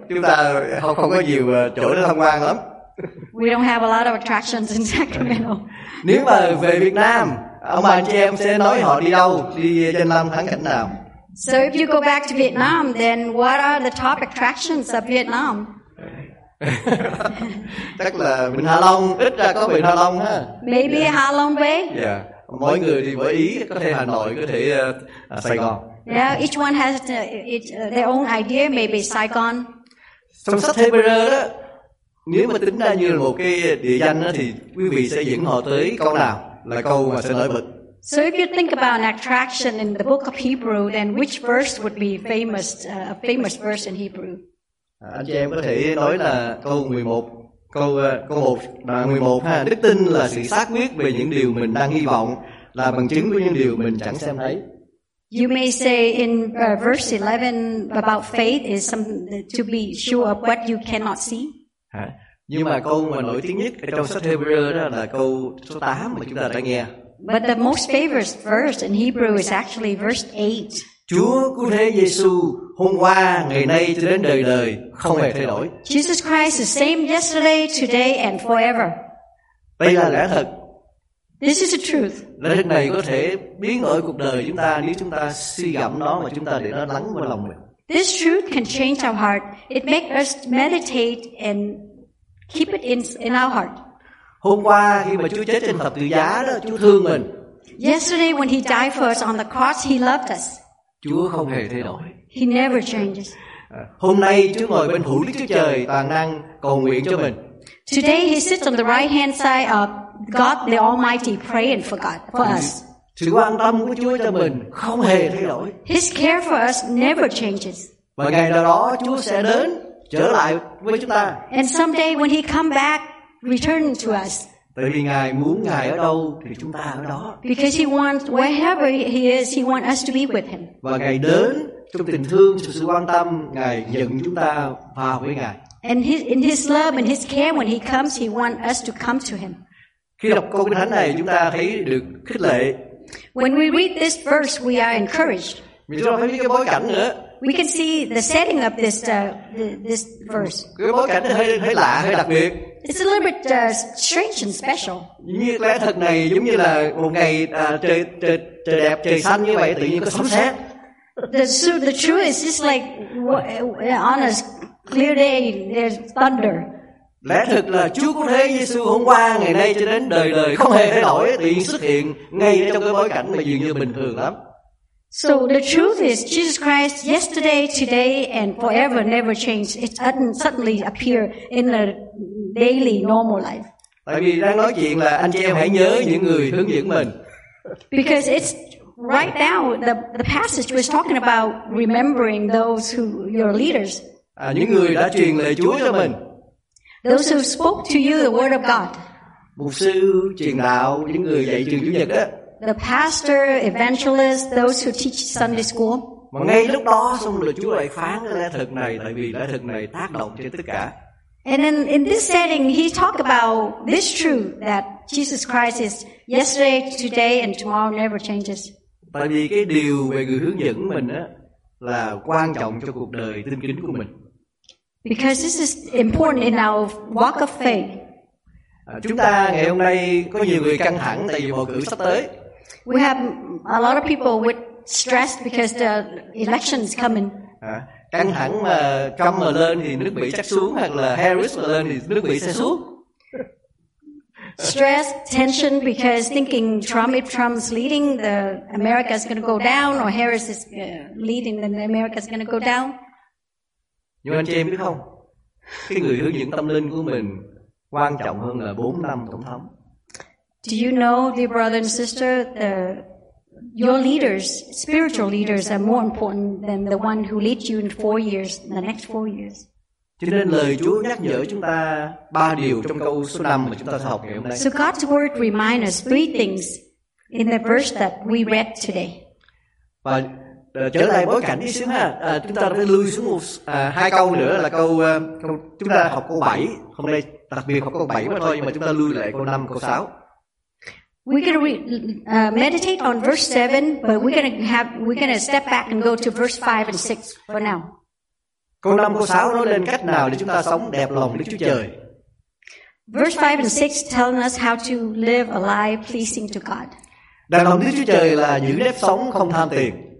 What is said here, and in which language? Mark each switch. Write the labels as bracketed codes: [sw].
[vi] Chúng ta không có nhiều chỗ để tham quan lắm. [en] We don't have a lot of attractions in Sacramento. [vi] Nếu mà về Việt Nam, ông bà anh chị em sẽ nói họ đi đâu, đi danh lam thắng cảnh nào? [en] So if you go back to Vietnam, then what are the top attractions of Vietnam? [vi] Chắc là Vịnh Hạ Long, ít ra có Vịnh Hạ Long ha. [en] Maybe Hạ Long Bay. [vi] Yeah, mỗi người thì mỗi ý, có thể Hà Nội, có thể Sài Gòn. [en] Yeah, each one has their own idea, maybe Saigon. [vi] Trong sách Hebrew đó, nếu mà tính ra như là một cái địa danh đó, thì quý vị sẽ dẫn họ tới câu nào là câu mà sẽ nổi bật? [en] So if you think about an attraction in the book of Hebrew, then which verse would be famous, a famous verse in Hebrew? [vi] Anh chị em có thể nói là câu 11, câu 1, đoạn 11 ha. Đức tin là sự xác quyết về những điều mình đang hy vọng, là bằng chứng của những điều mình chẳng xem thấy. [en] You may say in verse 11 about faith is to be sure of what you cannot see. [vi] Nhưng mà câu mà nổi tiếng nhất trong sách Hebrew đó là câu số 8 mà chúng ta đã nghe. [en] But the most favorite verse in Hebrew is actually verse 8. [vi] Chúa cứu thế Giêsu hôm qua, ngày nay cho đến đời đời không hề thay đổi. [en] Jesus Christ is same yesterday, today and forever. [vi] Đây là lẽ thật. [en] This is the truth. [vi] Lẽ thật này có thể biến đổi cuộc đời chúng ta nếu chúng ta suy gẫm nó và chúng ta để nó lắng vào lòng mình. [en] This truth can change our heart. It makes us meditate and keep it in our heart. [vi] Hôm qua khi mà Chúa chết trên thập tự giá đó, Chúa thương mình. [en] Yesterday when he died for us on the cross, he loved us. [vi] Chúa không hề thay đổi. [en] He never changes. [vi] Hôm nay Chúa ngồi bên hữu Đức Chúa Trời toàn năng cầu nguyện cho mình. [en] Today he sits on the right hand side of God the Almighty praying for God for us. [vi] Sự quan tâm của Chúa cho mình không hề thay đổi. [en] His care for us never changes. [vi] Và ngày nào đó Chúa sẽ đến trở lại với chúng ta. [en] And someday when he come back, return to us. [vi] Tại vì Ngài muốn Ngài ở đâu thì chúng ta ở đó. [en] Because he wants wherever he is, he wants us to be with him. [vi] Và Ngài đến trong tình thương, trong sự quan tâm, Ngài dẫn chúng ta vào với Ngài. [en] And in his love and his care, when he comes, he wants us to come to him. [vi] Khi đọc câu kinh thánh này, chúng ta thấy được khích lệ. [en] When we read this verse, we are encouraged. [vi] Mình cho thấy cái bối cảnh nữa. [en] We can see the setting of this verse. [vi] Cái bối cảnh hơi lạ, hơi đặc biệt. [en] It's a little bit strange and special. [vi] Như lẽ thật này giống như là một ngày trời đẹp, trời xanh như vậy, tự nhiên có sấm sét. [en] The truth is just like on a clear day there's thunder. [vi] Lẽ thật là Chúa cứu thế Giêsu hôm qua, ngày nay cho đến đời đời không hề thay đổi, tự nhiên xuất hiện ngay trong cái bối cảnh mà dường như bình thường lắm. [en] So the truth is Jesus Christ yesterday, today and forever never changed. It suddenly appear in a daily normal life. [vi] Tại vì đang nói chuyện là anh chị em hãy nhớ những người hướng dẫn mình. [en] Because it's right now the passage was talking about remembering those who your leaders. [vi] Những người đã truyền lời Chúa cho mình. [en] Those who spoke to you the word of God. [vi] Mục sư truyền đạo, những người dạy trường Chủ nhật á. [en] The pastor, evangelist, those who teach Sunday school. [vi] Mà ngay lúc đó xong rồi Chúa lại phán cái lẽ thật này, tại vì lẽ thật này tác động trên tất cả. [en] And then in this setting, he talked about this truth that Jesus Christ is yesterday, today, and tomorrow never changes. [vi] Tại vì cái điều về người hướng dẫn mình á là quan trọng cho cuộc đời tin kính của mình. [en] Because this is important in our walk of faith. [vi] Chúng ta ngày hôm nay có nhiều người căng thẳng tại vì bầu cử sắp tới. [en] We have a lot of people with stress because the election is coming. [vi] Căng thẳng mà Trump mà lên thì nước Mỹ chắc xuống, hoặc là Harris mà lên thì nước Mỹ sẽ xuống. [en] Stress, tension because thinking Trump, if Trump's leading, the America is going to go down, or Harris is leading, then America is going to go down. [vi] Nhưng anh chị em biết không, cái người hướng dẫn tâm linh của mình quan trọng hơn là 4 năm tổng thống. [en] Do you know, dear brother and sister, the your leaders, spiritual leaders, are more important than the one who lead you in 4 years, the next 4 years. [vi] Cho nên lời Chúa nhắc nhở chúng ta ba điều trong câu số 5 mà chúng ta sẽ học ngày hôm nay. [en] So God's word reminds us three things in the verse that we read today. [vi] Và trở lại bối cảnh đi xíu ha, chúng ta phải lưu xuống một hai câu nữa là câu chúng ta học câu 7. Hôm nay đặc biệt học câu 7 mà thôi, nhưng mà chúng ta lưu lại câu 5, câu 6. [en] We're going to meditate on verse 7, but we're going to step back and go to verse 5 and 6 for now. [vi] Câu 5, câu 6 nói lên cách nào để chúng ta sống đẹp lòng Đức Chúa Trời. [en] Verse 5 and 6 telling us how to live a life pleasing to God. [vi] Đẹp lòng Đức Chúa Trời là giữ nếp sống không tham tiền.